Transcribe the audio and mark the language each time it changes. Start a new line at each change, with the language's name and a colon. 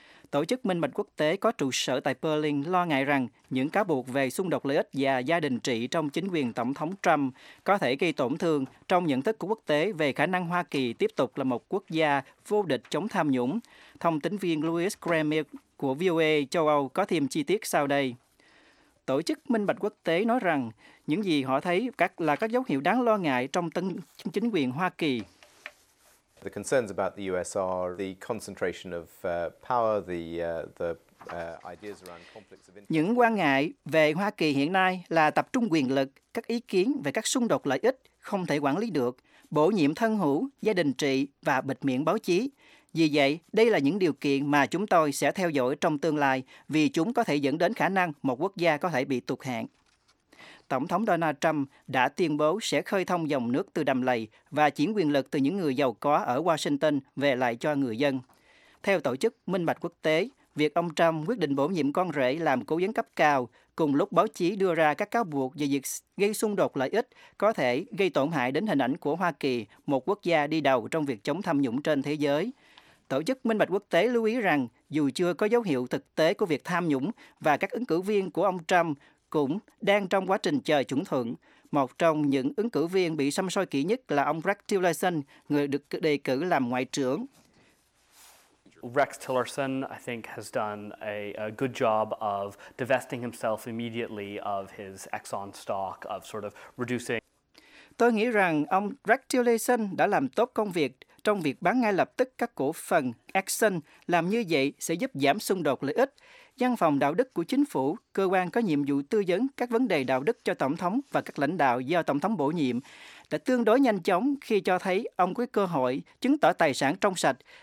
Vietnamese: Tổ chức Minh Bạch Quốc tế có trụ sở tại Berlin lo ngại rằng những cáo buộc về xung đột lợi ích và gia đình trị trong chính quyền Tổng thống Trump có thể gây tổn thương trong nhận thức của quốc tế về khả năng Hoa Kỳ tiếp tục là một quốc gia vô địch chống tham nhũng. Thông tín viên Louis Kramer của VOA châu Âu có thêm chi tiết sau đây. Tổ chức Minh Bạch Quốc tế nói rằng những gì họ thấy là các dấu hiệu đáng lo ngại trong chính quyền Hoa Kỳ.
English: The concerns about the US are the concentration of power, the ideas around conflicts of interest.
Vietnamese: Những quan ngại về Hoa Kỳ hiện nay là tập trung quyền lực, các ý kiến về các xung đột lợi ích không thể quản lý được, bổ nhiệm thân hữu, gia đình trị và bịt miệng báo chí. Vì vậy, đây là những điều kiện mà chúng tôi sẽ theo dõi trong tương lai vì chúng có thể dẫn đến khả năng một quốc gia có thể bị tụt hạng. Tổng thống Donald Trump đã tuyên bố sẽ khơi thông dòng nước từ đầm lầy và chuyển quyền lực từ những người giàu có ở Washington về lại cho người dân. Theo Tổ chức Minh Bạch Quốc tế, việc ông Trump quyết định bổ nhiệm con rể làm cố vấn cấp cao, cùng lúc báo chí đưa ra các cáo buộc về việc gây xung đột lợi ích, có thể gây tổn hại đến hình ảnh của Hoa Kỳ, một quốc gia đi đầu trong việc chống tham nhũng trên thế giới. Tổ chức Minh Bạch Quốc tế lưu ý rằng, dù chưa có dấu hiệu thực tế của việc tham nhũng và các ứng cử viên của ông Trump cũng đang trong quá trình chờ chuẩn thuận. Một trong những ứng cử viên bị xăm soi kỹ nhất là ông Rex Tillerson, người được đề cử làm ngoại trưởng.
English: Rex Tillerson, I think, has done a good job of divesting himself immediately of his Exxon stock, of sort of reducing.
Vietnamese: Tôi nghĩ rằng ông Rex Tillerson đã làm tốt công việc trong việc bán ngay lập tức các cổ phần Exxon. Làm như vậy sẽ giúp giảm xung đột lợi ích. Văn phòng đạo đức của chính phủ, cơ quan có nhiệm vụ tư vấn các vấn đề đạo đức cho tổng thống và các lãnh đạo do tổng thống bổ nhiệm, đã tương đối nhanh chóng khi cho thấy ông có cơ hội chứng tỏ tài sản trong sạch.